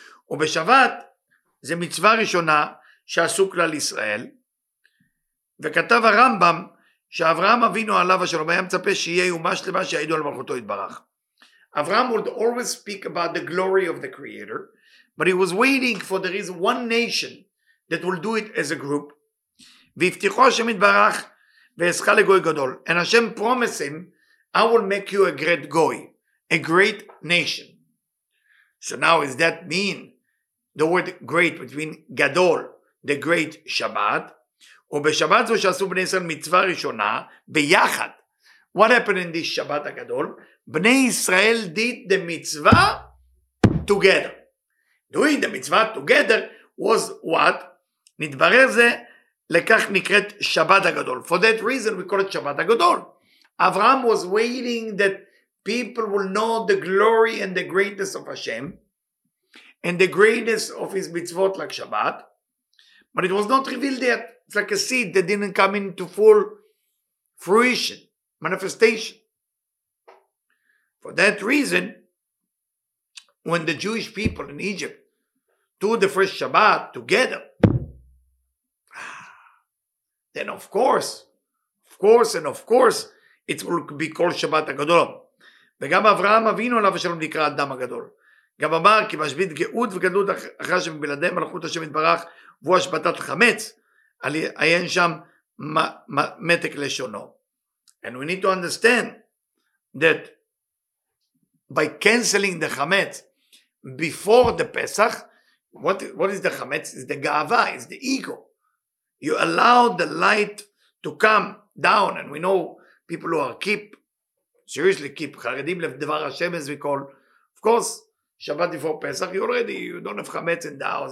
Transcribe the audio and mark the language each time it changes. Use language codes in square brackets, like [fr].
[he] ובשבת, זה מצווה ראשונה, שעשו כלל ישראל, וכתב הרמב״ם, שאברהם אבינו עליו השלום, היה מצפה שיהיה אומה שלמה, שיעידו על מלכותו יתברך. [en] אברהם would always speak about the glory of the Creator, but he was waiting for there is one nation, that will do it as a group. [he] והבטיחו השם יתברך, והשכה לגוי גדול. [en] And Hashem promised him, I will make you a great goy, a great nation. So now is that mean, the word great, between gadol, the great Shabbat, [he] ובשבת זו שעשו בני ישראל מצווה ראשונה, ביחד. [en] What happened in this Shabbat הגדול? בני ישראל did the mitzvah together. Doing the mitzvah together was what? [he] נתברר זה, לכך נקראת Shabbat הגדול. [en] For that reason we call it Shabbat הגדול. Abraham was waiting that people will know the glory and the greatness of Hashem, and the greatness of his mitzvot like Shabbat, but it was not revealed yet. It's like a seed that didn't come into full fruition, manifestation. For that reason, when the Jewish people in Egypt do the first Shabbat together, then of course, it will be called Shabbat Hagadol. [he] וגם אברהם אבינו עליו השלום נקרא אדם הגדול. גם אמר כי משבית גאות וגדלות אחרי שמבלעדי מלכות השם יתברך, והוא השבטת חמץ, עיין שם מתק לשונו. [en] And we need to understand that by canceling the חמץ before the Pesach, what is the חמץ? It's the גאווה, it's the ego. You allow the light to come down, and we know people who are keep, [he] חרדים לדבר השם, [en] as we call, of course, Shabbat before Pesach, you don't have chametz in the house.